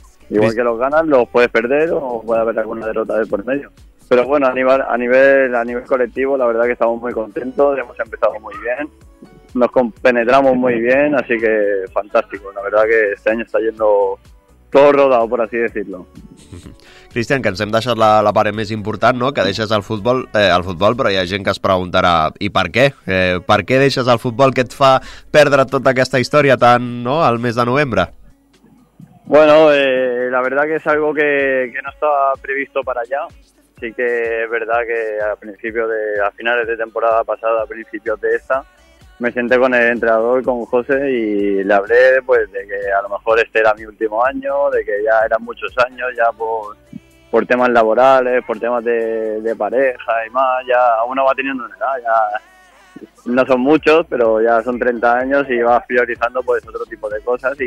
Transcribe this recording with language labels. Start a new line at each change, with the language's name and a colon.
Spanish: Igual que los ganas, los puedes perder o puede haber alguna derrota de por medio. Pero bueno, a nivel colectivo, la verdad que estamos muy contentos, hemos empezado muy bien. Nos compenetramos muy bien, así que fantástico. La verdad que este año está yendo todo rodado, por así decirlo.
Catalan: Cristian, que ens hem deixat la part més important, no? Que deixes el futbol, però hi ha gent que es preguntarà, i per què? Per què deixes el futbol? Què et fa perdre tota aquesta història tant, no?, al mes de novembre?
Spanish: Bueno, la verdad que es algo que no estaba previsto para allá. Sí que es verdad que a finales de temporada pasada, a principios de esta, me senté con el entrenador, con José, y le hablé pues de que a lo mejor este era mi último año, de que ya eran muchos años, ya por temas laborales, por temas de pareja y más, ya uno va teniendo una edad, ya no son muchos, pero ya son 30 años y vas priorizando pues otro tipo de cosas.